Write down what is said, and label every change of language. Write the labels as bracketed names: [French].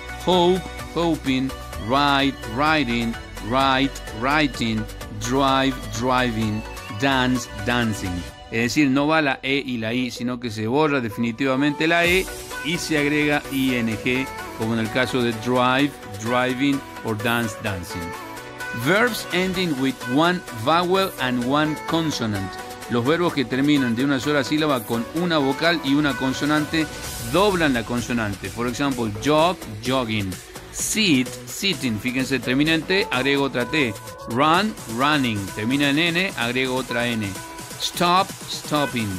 [English] Hope, hoping, write, writing, write, writing, drive, driving, dance, dancing. [Spanish] Es decir, no va la E y la I, sino que se borra definitivamente la E y se agrega ING, como en el caso de drive, driving, or dance, dancing. [English] Verbs ending with one vowel and one consonant. [Spanish] Los verbos que terminan de una sola sílaba con una vocal y una consonante doblan la consonante. [English] For example, jog, jogging. Sit, sitting. [Spanish] Fíjense, termina en T, agrego otra T. Run, running. Termina en N, agrego otra N. Stop, stopping.